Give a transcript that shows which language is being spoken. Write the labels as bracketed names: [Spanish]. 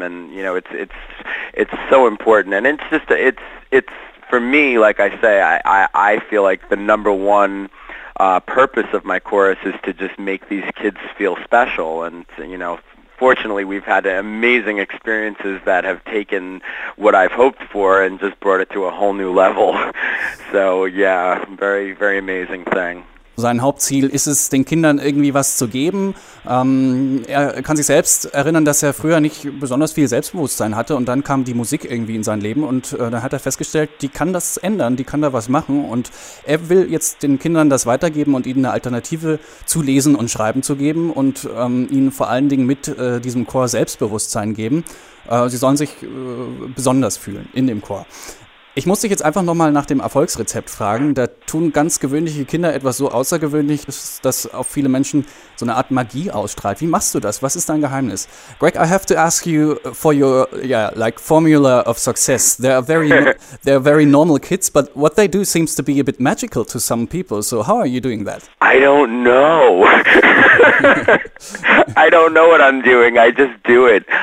[English] And it's so important, and it's for me, like I say, I feel like the number one purpose of my chorus is to just make these kids feel special. And fortunately, we've had amazing experiences that have taken what I've hoped for and just brought it to a whole new level. So yeah, very, very amazing thing. [German] Sein Hauptziel ist es, den Kindern irgendwie was zu geben. Er kann sich selbst erinnern, dass er früher nicht besonders viel Selbstbewusstsein hatte und dann kam die Musik irgendwie in sein Leben und dann hat er festgestellt, die kann das ändern, die kann da was machen und er will jetzt den Kindern das weitergeben und ihnen eine Alternative zu lesen und schreiben zu geben und ihnen vor allen Dingen mit diesem Chor Selbstbewusstsein geben. Sie sollen sich besonders fühlen in dem Chor. Ich muss dich jetzt einfach nochmal nach dem Erfolgsrezept fragen. Da tun ganz gewöhnliche Kinder etwas so Außergewöhnliches, dass auf viele Menschen so eine Art Magie ausstrahlt. Wie machst du das? Was ist dein Geheimnis? [English] Greg, I have to ask you for your formula of success. They're very normal kids, but what they do seems to be a bit magical to some people. So how are you doing that? I don't know. I don't know what I'm doing. I just do it.